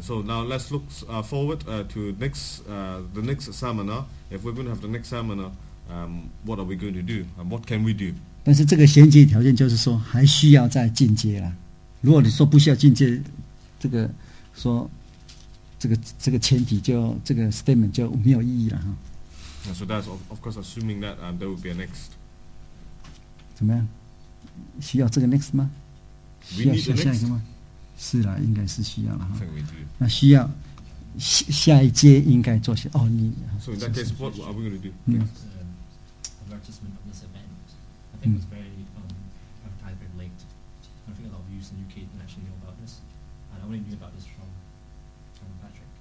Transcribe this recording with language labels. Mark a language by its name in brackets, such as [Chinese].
[English] so now let's look forward to next the next seminar. If we're going to have the next seminar, what are we going to do? And what can we do? [Chinese] 但是这个衔接条件就是说还需要再进阶了。如果你说不需要进阶，这个说这个前提就这个 statement 就没有意义了哈。 [English] And so that's of course assuming that there will be a next. [Chinese] 怎么样？需要这个 next 吗？需要下一个吗？是啦，应该是需要了哈。那需要下一阶应该做些哦，你。 [English] So in that case, what are we going to do? Next advertisement of this event. I think it's very advertised very late. I think a lot of youth in the UK didn't actually know about this, and I only knew about this from Patrick.